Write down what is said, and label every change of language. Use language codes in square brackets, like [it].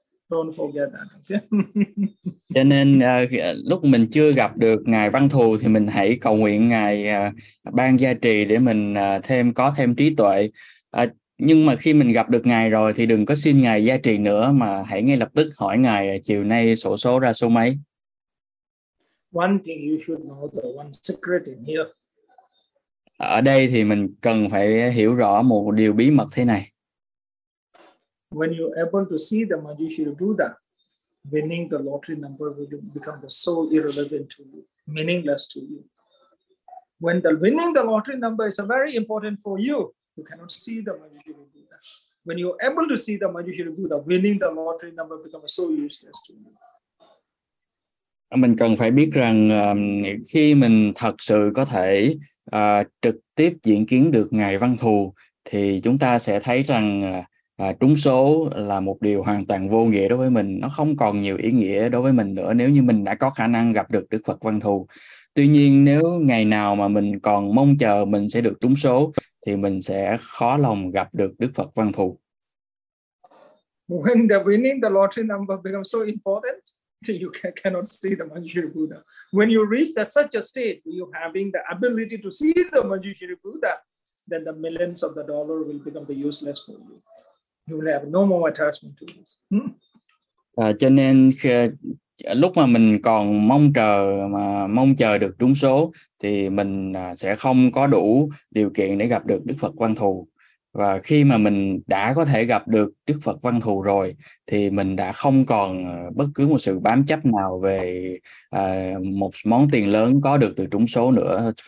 [en] Don't forget that. Okay. [vi] Cho nên lúc mình chưa gặp được ngài Văn Thù thì mình hãy cầu nguyện ngài ban gia trì để mình có thêm trí tuệ. Nhưng mà khi mình gặp được ngài rồi thì đừng có xin ngài gia trì nữa, mà hãy ngay lập tức hỏi ngài chiều nay sổ số ra số mấy. [en] One thing you should know, the one secret in here. [vi] Ở đây thì mình cần phải hiểu rõ một điều bí mật thế này. [en] when you able to see the Manjushri Buddha, winning the lottery number will become the so irrelevant to you, meaningless to you. When the winning the lottery number is a very important for you, you cannot see the Manjushri Buddha. When you're able to see the Manjushri Buddha, winning the lottery number becomes so useless to you. [vi] Mình cần phải biết rằng khi mình thật sự có thể trực tiếp diện kiến được Ngài Văn Thù thì chúng ta sẽ thấy rằng trúng số là một điều hoàn toàn vô nghĩa đối với mình. Nó không còn nhiều ý nghĩa đối với mình nữa nếu như mình đã có khả năng gặp được Đức Phật Văn Thù. Tuy nhiên, nếu ngày nào mà mình còn mong chờ mình sẽ được trúng số thì mình sẽ khó lòng gặp được Đức Phật Văn Thù. [en] When the winning the lottery number becomes so important, you cannot see the Manjushri Buddha. When you reach the such a state, you having the ability to see the Manjushri Buddha, then the millions of the dollar will become the useless for you. You will have no more attachment to this. [vi] Cho nên lúc mà mình còn mong chờ được trúng số thì mình sẽ không có đủ điều kiện để gặp được Đức Phật Quang Thù. Và khi mà mình đã có thể gặp được Đức Phật Văn Thù rồi thì mình đã không còn bất cứ một sự bám chấp nào về một món tiền lớn có được từ trúng số nữa.